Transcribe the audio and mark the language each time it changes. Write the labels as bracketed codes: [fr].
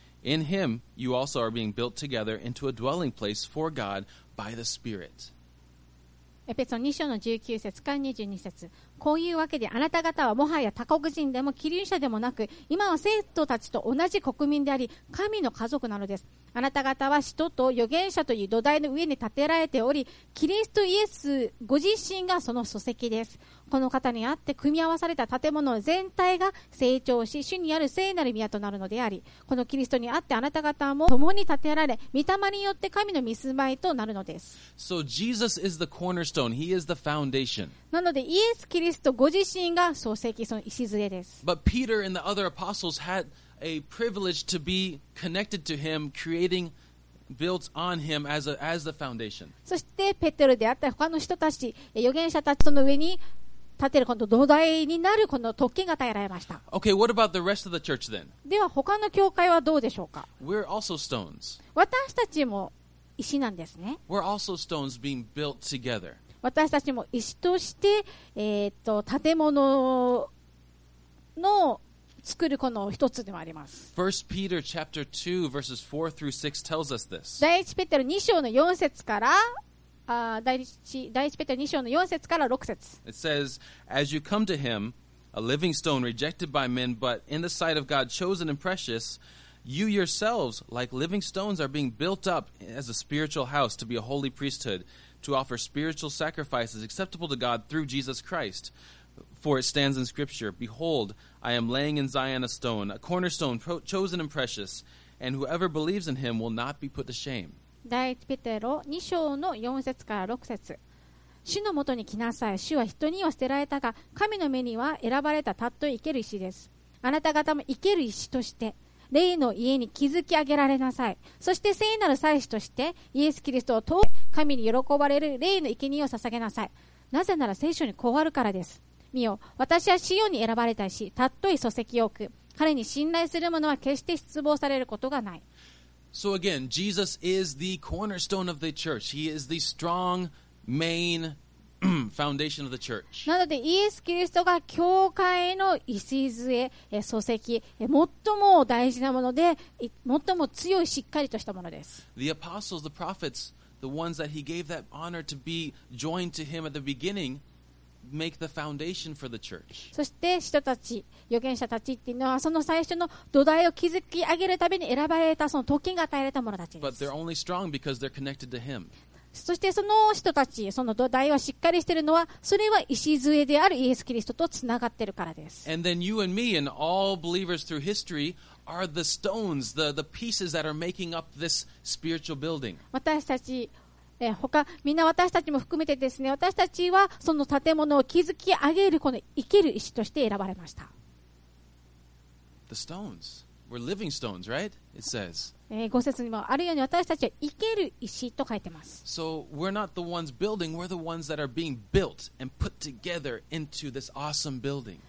[en] In him you also are being built together into a dwelling place for God by the Spirit. [ja] エペソ2章の19節から22節、こういうわけであなた方はもはや他国人でも希流者でもなく、今は聖徒たちと同じ国民であり神の家族なのです。あなた方は使徒と預言者という土台の上に建てられており、キリストイエスご自身がその礎石です。この方にあって組み合わされた建物全体が成長し、主にある聖なる宮となるのであり、このキリストにあってあなた方も共に建てられ、御霊によって神の御住まいとなるのです。 [en] So Jesus is the cornerstone. He is the foundation. [ja] なのでイエス・キリストご自身が礎石、その礎です。 [en] But Peter and the other apostles hadA privilege to be connected to him, creating, built on him as the foundation. [ja] そしてペテロであったり他の人たち、預言者たちの上に立てるこの土台になるこの特権が与えられました。 [en] Okay, what about the rest of the church then? [ja] では他の教会はどうでしょうか。 [en] We're also stones. [ja] 私たちも石なんですね。 [en] We're also stones being built together. [ja] 私たちも石として、建物の作るこの一つでもあります。 [en] 1 Peter chapter 2 verses 4 through 6 tells us this. [ja] 第1ペテロ2章の4節から第1ペテロ2章の4節から6節。 [en] It says, As you come to him, a living stone rejected by men, but in the sight of God chosen and precious, you yourselves, like living stones, are being built up as a spiritual house to be a holy priesthood, to offer spiritual sacrifices acceptable to God through Jesus Christ. For it stands in Scripture, Behold, I am laying in Zion a stone, a cornerstone chosen and precious, And whoever believes in him will not be put to shame. [ja] 第1ペテロ2章の4節から6節。主のもとに来なさい。主は人には捨てられたが、神の目には選ばれたたっとい生ける石です。あなた方も生ける石として、霊の家に築き上げられなさい。そして聖なる祭司として、イエス・キリストを通って神に喜ばれる霊の生贄を捧げなさい。なぜなら聖書にこうあるからです。見よ、私は死よに選ばれたし、たっとい礎石を置く。彼に信頼する者は決して失望されることがない。 [en] So again, Jesus is the cornerstone of the church. He is the strong main foundation of the church. [ja] なので、イエス・キリストが教会の礎、礎石、最も大事なもので、最も強いしっかりとしたものです。 [en] The apostles, the prophets, the ones that he gave that honor to be joined to him at the beginning,Make the foundation for the church. [ja] そして使徒たち、預言者たちっていうのはその最初の土台を築き上げるために選ばれたその特権が与えられた者たちです。 [en] But they're only strong because they're connected to him. [ja] そしてその人たち、その土台はしっかりしているのは、それは礎であるイエス・キリストとつながっているからです。 [en] And then you and me and all believers through history are the stones, the pieces that are making up this spiritual building. [ja] 私たち他みんな私たちも含めてですね、私たちはその建物を築き上げるこの生ける石として選ばれました。 [en] The stones, we're living stones, right? It says. [ja] 五節にもあるように私たちは生ける石と書いてます。 [en] So we're not the ones building, we're the ones that are being built and put together into this awesome building.